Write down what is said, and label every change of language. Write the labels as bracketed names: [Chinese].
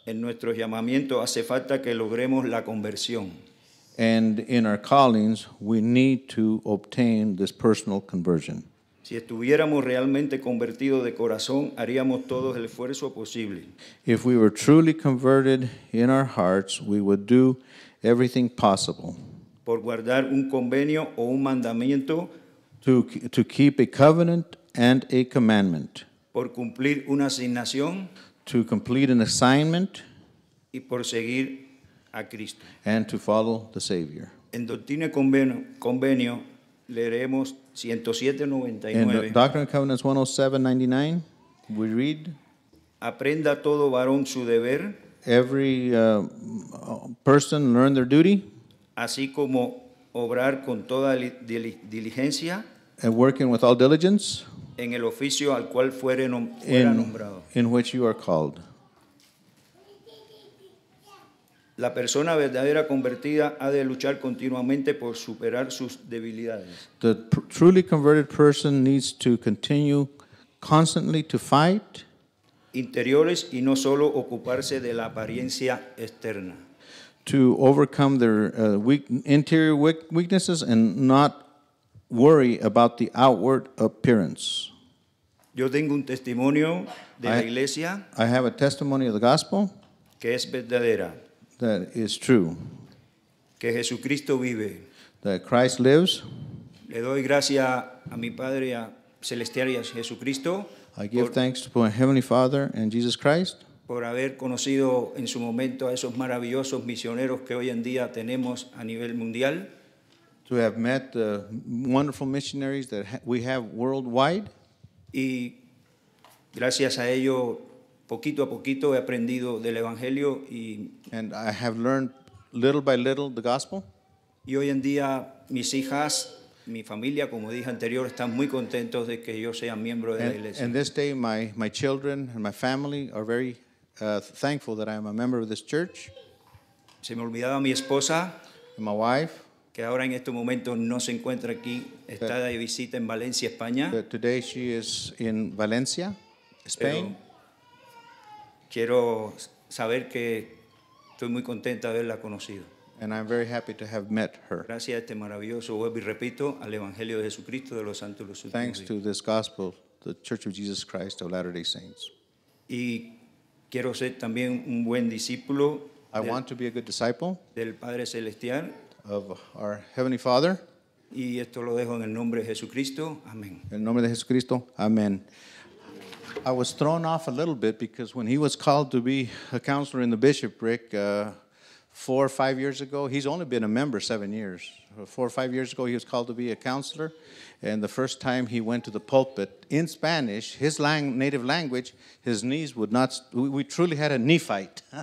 [Spanish] En nuestro llamamiento hace falta que logremos la conversión. [English] And in our callings, we need to obtain this personal conversion. [Spanish] Si estuviéramos realmente convertidos de corazón, haríamos todo el esfuerzo posible. [English] If we were truly converted in our hearts, we would do everything possible. [Spanish] Por guardar un convenio o un mandamiento. [English] To keep a covenant and a commandment. [Spanish] Por cumplir una asignación. [English] To complete an assignment. [Spanish] Y por seguir a Cristo. [English] And to follow the Savior. [Spanish] En Doctrina y Convenio leeremos 107.99. [English] In Doctrine and Covenants 107.99, we read. [Spanish] Aprenda todo varón su deber. [English] Every person learn their duty. [Spanish] Así como obrar con toda diligencia. [English] And working with all diligence. [Spanish] En el oficio al cual fuere nombrado. [English] In which you are called. [Spanish] La persona verdadera convertida ha de luchar continuamente por superar sus debilidades. [English] The truly converted person needs to continue constantly to fight. [Spanish] Interiores y no solo ocuparse de la apariencia externa. [English] To overcome their interior weaknesses and not worry about the outward appearance. [Spanish] Yo tengo un testimonio de la iglesia. [English] I have a testimony of the gospel. [Spanish] Que es verdadera. [English] That is true. [Spanish] Que Jesucristo vive. [English] That Christ lives. [Spanish] Le doy gracias a mi Padre celestial y a Jesucristo. [English] I give thanks to my Heavenly Father and Jesus Christ. [Spanish] Por haber conocido en su momento a esos maravillosos misioneros que hoy en día tenemos a nivel mundial. [English] To have met the wonderful missionaries that we have worldwide. [Spanish] Y gracias a ello, poquito a poquito, he aprendido del Evangelio y... [English] And I have learned little by little the gospel. [Spanish] Y hoy en día, mis hijas, mi familia, como dije anterior, están muy contentos de que yo sea miembro de la iglesia. [English] And this day, my children and my family are very thankful that I am a member of this church. [Spanish] Se me olvidaba mi esposa. [English] And my wife. [Spanish] Que ahora en este momento no se encuentra aquí, está de visita en Valencia, España. [English] But today she is in Valencia, Spain. [Spanish] Pero quiero saber que estoy muy contenta de haberla conocido. [English] And I'm very happy to have met her. [Spanish] Gracias a este maravilloso web y repito al Evangelio de Jesucristo de los Santos los Últimos. [English] Thanks to this gospel, the Church of Jesus Christ of Latter-day Saints. [Spanish] Y quiero ser también un buen discípulo. [English] I want to be a good disciple. [Spanish] Del Padre Celestial. [English] Of our Heavenly Father. [Spanish] Y esto lo dejo en el nombre de Jesucristo. Amén. En nombre de Jesucristo. Amén. [English] I was thrown off a little bit because when he was called to be a counselor in the bishopric, 4 or 5 years ago, he's only been a member 7 years. 4 or 5 years ago, he was called to be a counselor. And the first time he went to the pulpit in Spanish, his native language, his knees would not, we truly had a knee fight.